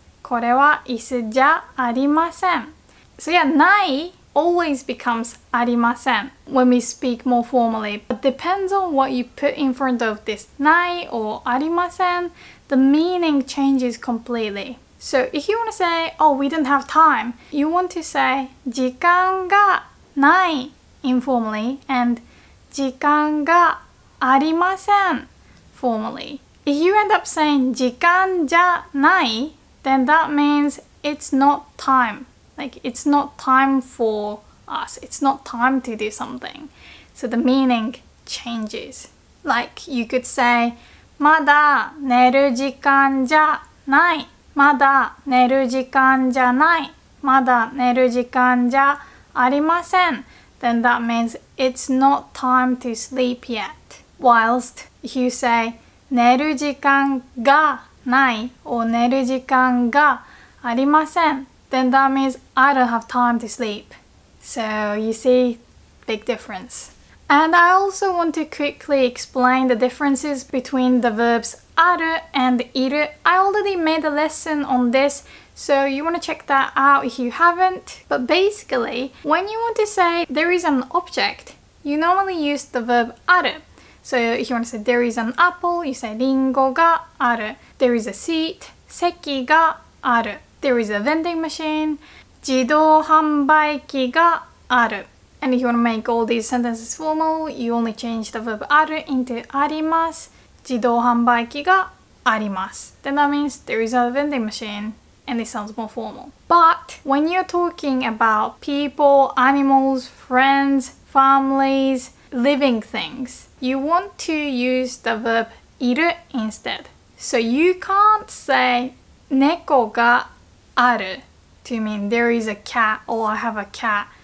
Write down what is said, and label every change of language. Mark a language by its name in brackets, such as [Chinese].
[Japanese] これは椅子じゃありません. [English] So yeah, ないalways becomes ありません when we speak more formally. But depends on what you put in front of this ないor ありません, the meaning changes completely. So if you want to say, oh, we don't have time, you want to say [Japanese] 時間がない [English] informally and [Japanese] 時間がありません [English] formally. If you end up saying [Japanese] 時間じゃない, [English] then that means it's not time. Like, it's not time for us. It's not time to do something. So the meaning changes. Like, you could say, [Japanese] まだ寝る時間じゃない。まだ寝る時間じゃない。まだ寝る時間じゃありません。 [English] Then that means it's not time to sleep yet. Whilst if you say, [Japanese] 寝る時間がない [English] or [Japanese] 寝る時間がありません。 [English] Then that means I don't have time to sleep. So you see, big difference. And I also want to quickly explain the differences between the verbs ある and いる. I already made a lesson on this, so you want to check that out if you haven't. But basically, when you want to say there is an object, you normally use the verb ある. So if you want to say there is an apple, you say [Japanese] リンゴがある. [English] There is a seat, [Japanese] 席がある. [English] There is a vending machine. [Japanese] 自動販売機がある。 [English] And if you want to make all these sentences formal, you only change the verb ある into あります。 [Japanese] 自動販売機があります。 [English] Then that means there is a vending machine and it sounds more formal. But when you're talking about people, animals, friends, families, living things, you want to use the verb いる instead. So you can't say [Japanese] 猫がある [English] to mean there is a cat or I have a cat.